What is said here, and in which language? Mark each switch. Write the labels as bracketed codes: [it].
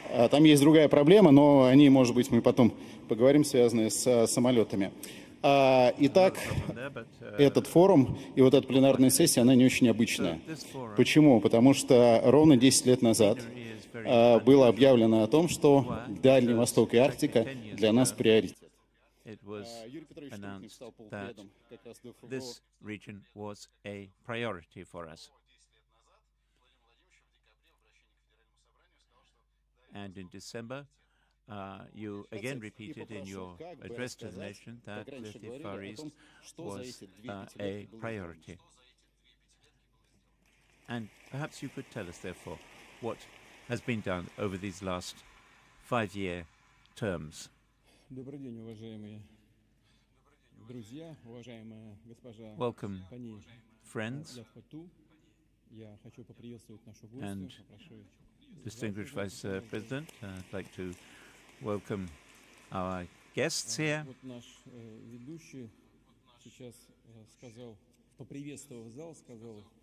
[ru] Там есть другая проблема, но о ней, может быть, мы потом поговорим, связанная с самолетами. Итак, этот форум и вот эта пленарная сессия, она не очень обычная. Почему? Потому что ровно 10 лет назад было объявлено о том, что Дальний Восток и Арктика для нас приоритет. [en] It was announced that this region was a priority for us. And in December, you again repeated in your address to the nation that the Far East was a priority. And perhaps you could tell us, therefore, what has been done over these last five-year terms. [ru] Добрый день, уважаемые друзья, уважаемая госпожа [en] Welcome, Пани, friends. [ru] Я хочу поприветствовать нашу гостью. [en] And distinguished Vice President, I'd like to welcome our guests here. [ru] Вот наш ведущий сейчас сказал, поприветствовал зал, сказал.